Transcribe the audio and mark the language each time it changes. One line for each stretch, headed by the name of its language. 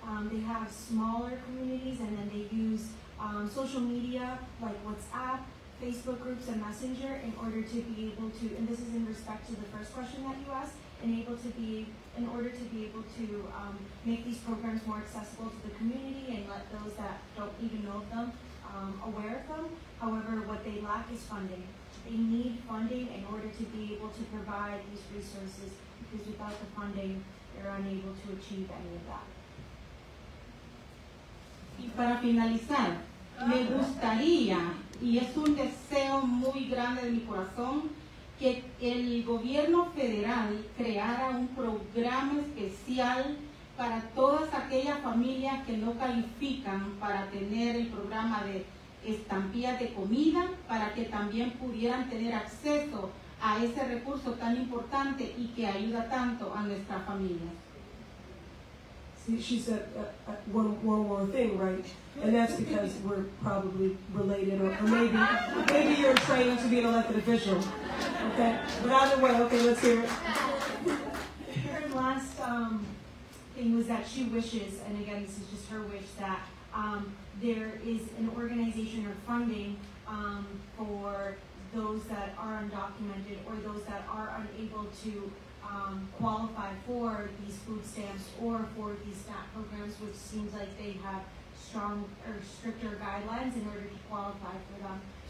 English: They have smaller communities and then they use social media like WhatsApp, Facebook groups and Messenger in order to be able to, and this is in respect to the first question that you asked, in order to be able to make these programs more accessible to the community and let those that don't even know of them aware of them. However, what they lack is funding. They need funding in order to be able to provide these resources because without the funding, they're unable to achieve any of that.
Spanish: Y para finalizar, Me gustaría, y es un deseo muy grande de mi corazón, que el gobierno federal creara un programa especial para todas aquellas familias que no califican para tener el programa de estampillas de comida, para que también pudieran tener acceso a ese recurso tan importante y que ayuda tanto a nuestras familias.
English: See, she said one more thing, right? And that's because we're probably related, or maybe you're training to be an elected official. Okay, but either way, okay, let's hear it. Her last thing was that she wishes, and again, this is just her wish, that there is an organization or funding for those that are undocumented or those that are unable to qualify for these food stamps or for these SNAP programs, which seems like they have strong or stricter guidelines in order to qualify for them.